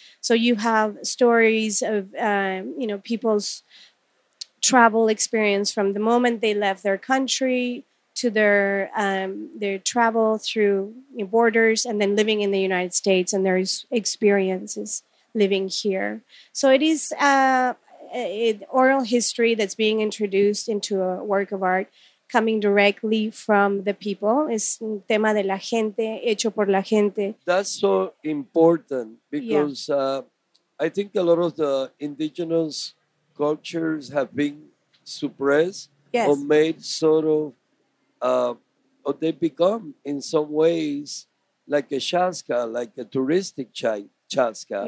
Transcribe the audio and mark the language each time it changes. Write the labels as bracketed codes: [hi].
[en] So you have stories of, you know, people's travel experience from the moment they left their country to their travel through borders and then living in the United States and their experiences living here. So it is an oral history that's being introduced into a work of art coming directly from the people. [es] Es un tema de la gente, hecho por la gente. [en] That's so important because I think a lot of the indigenous cultures have been suppressed or made sort of, or they become in some ways like a chasca, like a touristic chasca.